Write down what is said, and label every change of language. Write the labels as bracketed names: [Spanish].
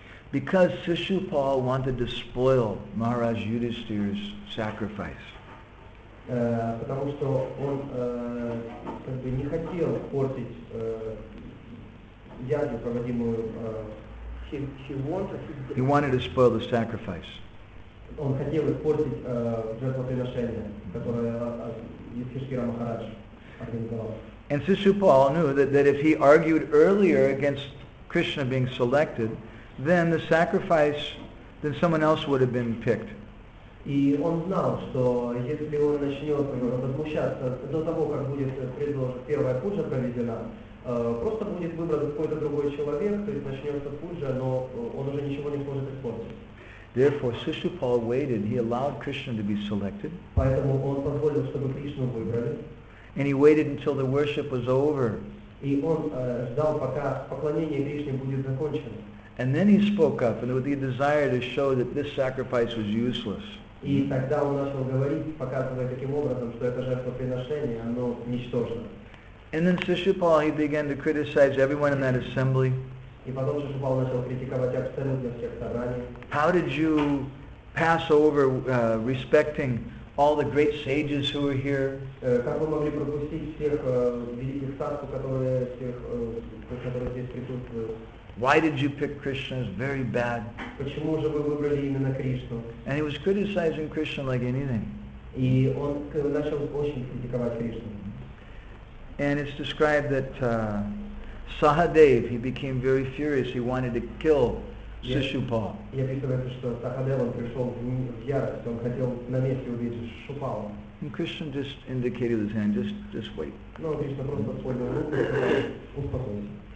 [English] Because Shishupal wanted to spoil Maharaj Yudhisthira's sacrifice. [Russian] Потому что он как бы не хотел портить ядю, проводимую [English] He wanted to spoil the sacrifice. [Russian] Он хотел испортить жертвоприношение, которое Юдхиштхира Махарадж организовал. [English] And Shishupal knew that if he argued earlier against Krishna being selected, then the sacrifice, then someone else would have been picked. [Russian] И он знал, что если он начнет возмущаться до того, как будет предложена первая пуджа проведена, просто будет выбран какой-то другой человек, то есть начнется пуджа, но он уже ничего не сможет испортить. [English] Therefore, Shishupala waited. He allowed Krishna to be selected. [Russian] Поэтому он позволил, чтобы Кришну выбрали. [English] And he waited until the worship was over. [Russian] И он ждал, пока поклонение Кришне будет закончено. [English] And then he spoke up, and with the desire to show that this sacrifice was useless. [Russian] И тогда он начал говорить, показывая таким образом, что это жертвоприношение, оно ничтожно. [English] And then Shishupala, he began to criticize everyone in that assembly. [Russian] И потом Шишупал начал критиковать абсолютно всех собраний. [English] How did you pass over respecting all the great sages who were here? [Russian] Как вы могли пропустить всех великих садху, которые здесь присутствуют? [English] Why did you pick Krishna? It's very bad. [Russian] Почему же вы выбрали именно Кришну? [English] And he was criticizing Krishna like anything. [Russian] И он начал очень критиковать Кришну. [English] And it's described that Sahadev, he became very furious. He wanted to kill Shishupal. [Russian] Я писаю, что Сахадев он пришел в ярость. Он хотел на месте убить Шишупала. [English] And Krishna just indicated his hand, just wait. [Russian] Ну, Кришна просто поднял руку и сказал, успокойся.